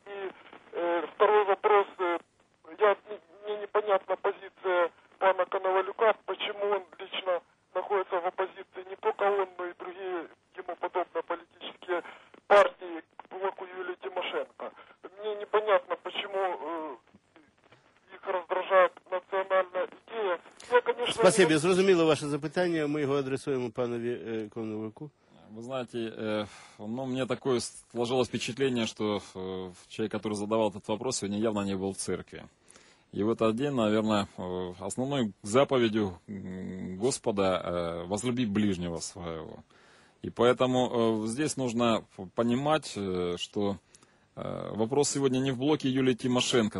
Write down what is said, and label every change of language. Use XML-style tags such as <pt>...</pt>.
<ru>И второй вопрос, мне непонятна позиция пана Коновалюка, почему он лично находится в оппозиции не только он, но и другие ему подобные политические партии к блоку Юлии Тимошенко. Мне непонятно, почему их раздражает национальная идея. Я, конечно, спасибо,</ru> <uk>зрозуміло ваше запитання. Ми його адресуємо панові Коновалюку.</uk> <ru>Вы знаете, мне такое сложилось впечатление, что человек, который задавал этот вопрос, сегодня явно не был в церкви. И в этот день, наверное, основной заповедью Господа – возлюби ближнего своего. И поэтому здесь нужно понимать, что вопрос сегодня не в блоке Юлии Тимошенко.</ru>